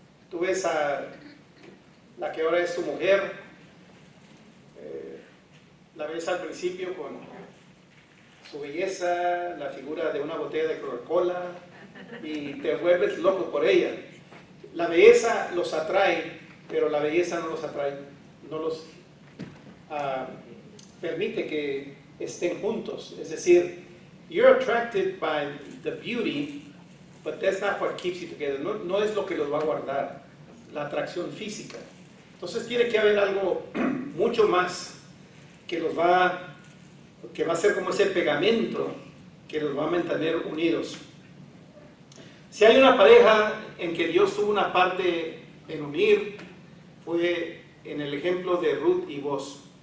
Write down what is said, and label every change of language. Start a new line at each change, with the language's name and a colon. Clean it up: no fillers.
Spanish: Tú ves a la que ahora es tu mujer, la ves al principio con su belleza, la figura de una botella de Coca-Cola, y te vuelves loco por ella. La belleza los atrae, pero la belleza no los atrae, no los permite que estén juntos. Es decir,
English: you're attracted by the beauty, but that's not what keeps you together.
Spanish: No, no es lo que los va a guardar, la atracción física. Entonces tiene que haber algo mucho más que los va, que va a ser como ese pegamento que los va a mantener unidos. Si hay una pareja en que Dios tuvo una parte en unir, fue en el ejemplo de Ruth y Boaz.